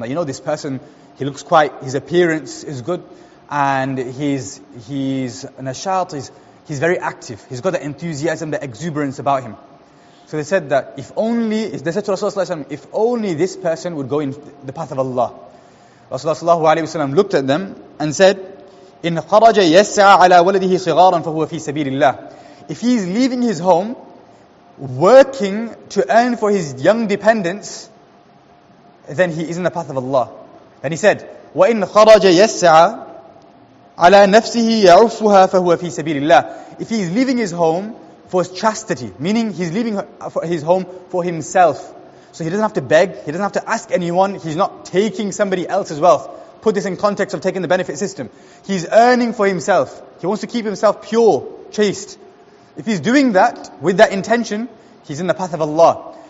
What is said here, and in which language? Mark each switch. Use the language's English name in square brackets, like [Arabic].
[English] Like, you know, this person, he looks quite, his appearance is good and he's nashat, he's very active. He's got the enthusiasm, the exuberance about him. So they said that if only, they said to Rasulullah, if only this person would go in the path of Allah. Rasulullah looked at them and said, [Arabic] إِنْ خَرَجَ يَسْعَى عَلَىٰ وَلَدِهِ صِغَارًا فَهُوَ فِي سَبِيلِ اللَّهِ. [English] If he's leaving his home, working to earn for his young dependents, then he is in the path of Allah. Then he said, [Arabic] وَإِنْ خَرَجَ يَسْعَى على نفسه يعفها فهو في سبيل الله. [English] If he is leaving his home for chastity, meaning he's leaving his home for himself, so he doesn't have to beg, he doesn't have to ask anyone, he's not taking somebody else's wealth. Put this in context of taking the benefit system. He's earning for himself. He wants to keep himself pure, chaste. If he's doing that with that intention, he's in the path of Allah.